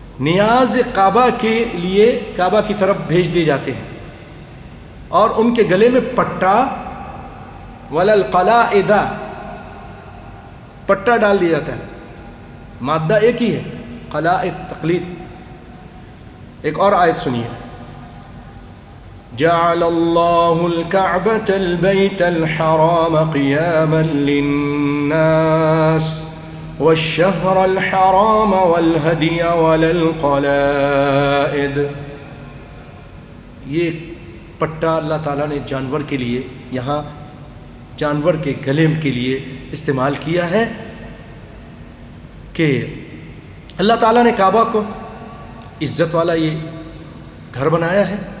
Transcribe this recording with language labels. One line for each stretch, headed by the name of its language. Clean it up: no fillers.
Urdu: نیاز کعبہ کے لیے کعبہ کی طرف بھیج دیے جاتے ہیں، اور ان کے گلے میں پٹا،
Arabic: ولا القلائد،
Urdu: پٹا ڈال دیا جاتا ہے، مادہ ایک ہی ہے، قلائد، تقلید۔ ایک اور آیت سنیے،
Arabic: جعل اللہ الكعبة البيت الحرام قياما للناس والشهر الحرام والهدي ولا القلائد،
Urdu: یہ پٹا اللہ تعالیٰ نے جانور کے لیے، یہاں جانور کے گلے کے لیے استعمال کیا ہے کہ اللہ تعالیٰ نے کعبہ کو عزت والا یہ گھر بنایا ہے،